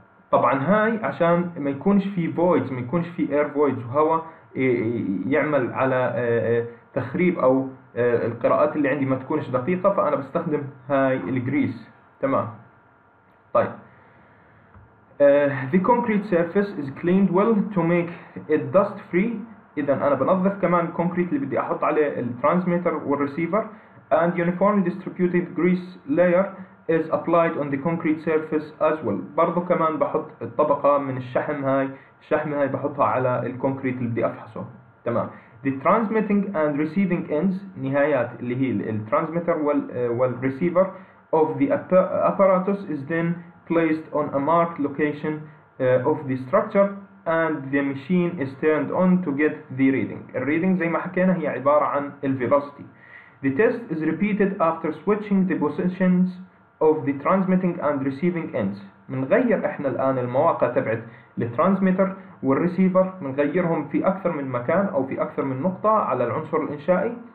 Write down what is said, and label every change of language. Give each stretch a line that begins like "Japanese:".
Arabic: طبعا هاي عشان ما يكونش في فويدز، ما يكونش في اير فويدز وهوا يعمل على تخريب أو القراءات اللي عندي ما تكونش دقيقة، فأنا بستخدم هاي الجريس. تمام. طيب.
English: The concrete surface is cleaned well to make it dust free.
Arabic: إذا أنا بنظف كمان الكونكريت اللي بدي أحط عليه الترانسميتر والريسيفر.
English: And uniformly distributed grease layer is applied on the concrete surface as well.
Arabic: برضو كمان بحط الطبقة من الشحم هاي، الشحم هاي بحطها على الكونكريت اللي بدي أفحصه. تمام.
English: The transmitting and receiving ends،
Arabic: نهايات اللي هي الترانسميتر والريسيفر
English: of the apparatus is then placed on a marked location of the structure and the machine is turned on to get the reading.
Arabic: الريدنج زي ما حكينا هي عبارة عن الفيلوسيتي.
English: The test is repeated after switching the positions of the transmitting and receiving ends.
Arabic: منغير احنا الآن المواقع تبعت الترانسميتر والريسيفر، منغيرهم في أكثر من مكان أو في أكثر من نقطة على العنصر الإنشائي.